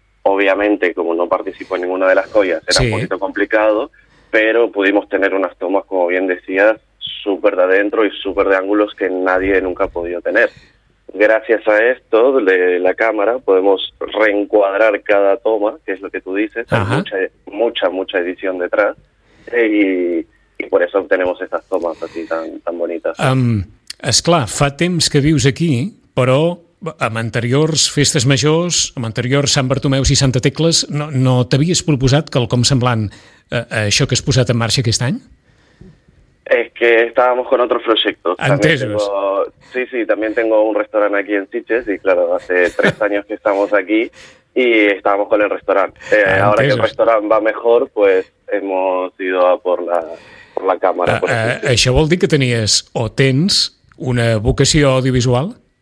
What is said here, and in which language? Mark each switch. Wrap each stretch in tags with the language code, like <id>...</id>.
<es>Obviamente, como no participo en ninguna de las joyas, era un poquito complicado, pero pudimos tener unas tomas, como bien decías, súper de adentro y súper de ángulos que nadie nunca ha podido tener. Gracias a esto, de la cámara, podemos reencuadrar cada toma, que es lo que tú dices, hay mucha edición detrás, y por eso obtenemos estas tomas así tan bonitas.</es> <ca>Esclar, fa temps que vius aquí, però amb anteriors festes majors, amb anteriors Sant Bartomeu i Santa Tecles, no t'havies proposat quelcom semblant a això que has posat en marxa aquest any?</ca> <es>Es que estábamos con otros proyectos.</es> <ca>Entesos.</ca> <es>También tengo un restaurante aquí en Sitges y claro, hace 3 años que estamos aquí y estábamos con el restaurante. Ahora que el restaurante va mejor, pues hemos ido a por la cámara.</es> <ca>Això vol dir que tenies o tens una vocació audiovisual?</ca>